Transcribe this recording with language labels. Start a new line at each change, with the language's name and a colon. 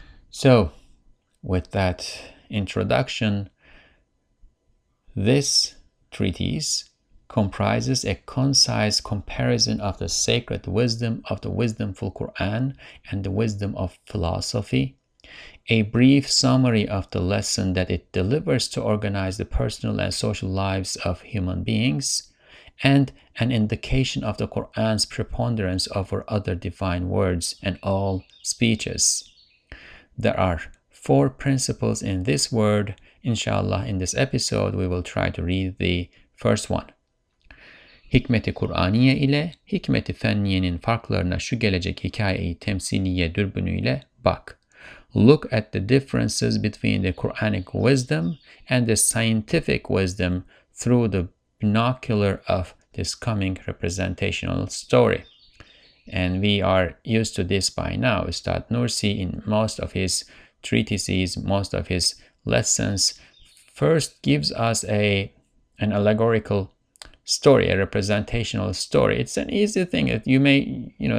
English: So, with that introduction, this treatise comprises a concise comparison of the sacred wisdom of the wisdomful Quran and the wisdom of philosophy, a brief summary of the lesson that it delivers to organize the personal and social lives of human beings, and an indication of the Quran's preponderance over other divine words and all speeches. There are four principles in this word. Inshallah, in this episode, we will try to read the first one.
Turkish: Hikmeti Kur'aniye ile hikmeti fenniyenin farklarına şu gelecek hikayeyi temsiliye dürbünüyle bak.
English: Look at the differences between the Quranic wisdom and the scientific wisdom through the binocular of this coming representational story. And we are used to this by now. Üstad Nursi, in most of his treatises, most of his lessons, first gives us an allegorical story, a representational story. It's an easy thing. You may